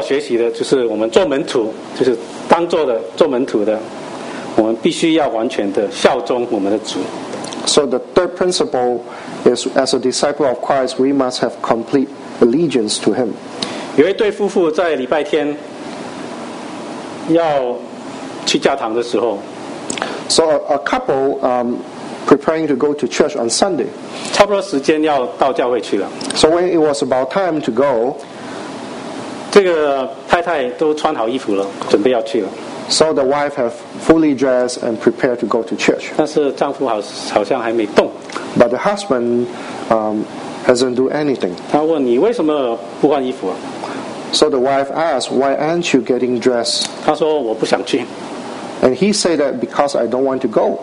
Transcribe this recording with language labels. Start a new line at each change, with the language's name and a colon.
Chinese: 第三个要学习的就是我们做门徒, 就是当做的做门徒的, 我们必须要完全的效忠我们的主。
English: So the third principle is, as a disciple of Christ, we must have complete allegiance to him.
Chinese: 有一对夫妇在礼拜天要去教堂的时候,
English: so a couple preparing to go to church on Sunday.
Chinese: 差不多时间要到教会去了,
English: so when it was about time to go,
Chinese: 这个太太都穿好衣服了, 准备要去了。
English: So the wife have fully dressed and prepared to go to church.
Chinese: 但是丈夫好像还没动。
English: But the husband hasn't do anything.
Chinese: 他问你为什么不换衣服啊?
English: So the wife asked, why aren't you getting dressed?
Chinese: 他说我不想去。
English: And he said that because I don't want to go.